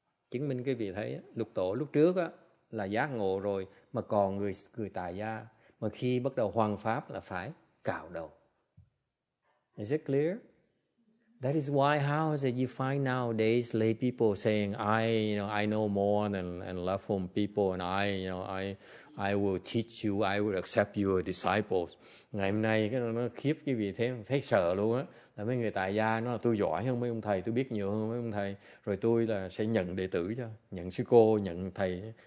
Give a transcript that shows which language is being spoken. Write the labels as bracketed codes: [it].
[vi] Chứng minh cái vị thấy lục tổ lúc trước á là giác ngộ rồi, mà còn người tài gia mà khi bắt đầu hoằng pháp là phải cạo đầu. [en] Is it clear? That is why how is it you find nowadays lay people saying I know more than love home people and I will teach you, I will accept your disciples. [vi] Ngày hôm nay cái nó khiếp cái vị thế, thấy sợ luôn á. Là mấy người tại gia nó là tôi giỏi hơn mấy ông thầy, tôi biết nhiều hơn mấy ông thầy, rồi tôi là sẽ nhận đệ tử cho, nhận sư cô, nhận thầy.